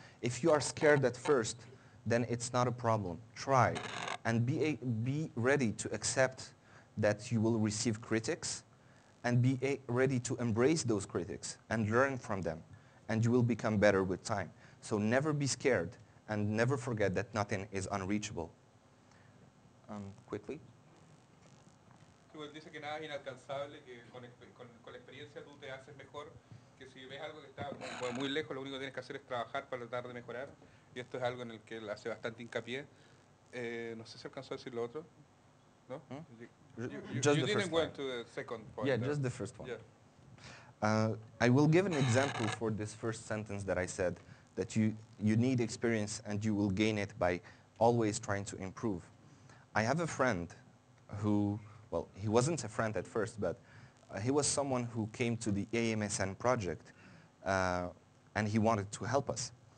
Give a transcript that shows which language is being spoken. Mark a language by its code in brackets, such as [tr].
[en] If you are scared at first, then it's not a problem. Try and be ready to accept that you will receive critics and be ready to embrace those critics and learn from them, and you will become better with time. So never be scared and never forget that nothing is unreachable. Quickly. [es] Dice que nada es inalcanzable, que con la experiencia tú te haces mejor, que si ves algo que está muy lejos, lo único que tienes que hacer es trabajar para tratar de mejorar, y esto es algo en el que él hace bastante hincapié. No sé si alcanzó a decir lo otro, ¿no? [en] Just the first one. I will give an example for this first sentence that I said, that you need experience and you will gain it by always trying to improve. I have a friend who, well, he wasn't a friend at first, but he was someone who came to the AMSN project and he wanted to help us.